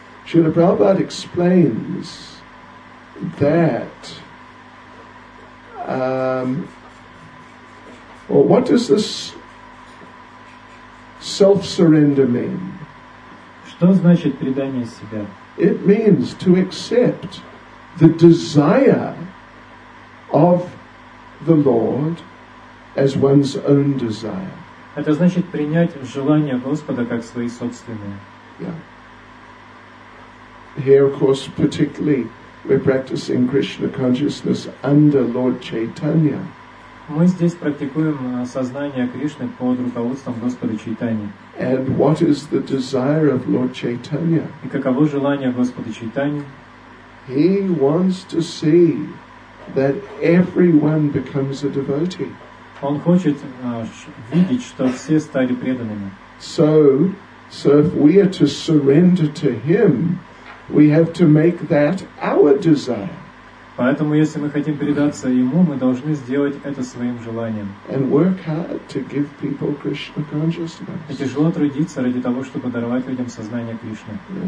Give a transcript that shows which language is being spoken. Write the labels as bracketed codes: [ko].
[en] Srila Prabhupada explains that, well, what does this self-surrender mean? [ru] Что значит предание себя? [en] It means to accept the desire of the Lord as one's own desire. [ru] Это значит принять желания Господа как свои собственные. [en] Yeah. Here, of course, particularly we're practicing Krishna consciousness under Lord Chaitanya. [ru] Мы здесь практикуем сознание Кришны под руководством Господа Чайтаньи. [en] And what is the desire of Lord Chaitanya? [ru] И каково желание Господа Чайтаньи? [en] He wants to see that everyone becomes a devotee. [ru] Он хочет видеть, что все стали преданными. [en] So if we are to surrender to him, we have to make that our desire. [ru] Поэтому, если мы хотим предаться Ему, мы должны сделать это своим желанием. [en] And work hard to give people Krishna consciousness. [ru] И тяжело трудиться ради того, чтобы даровать людям сознание Кришны.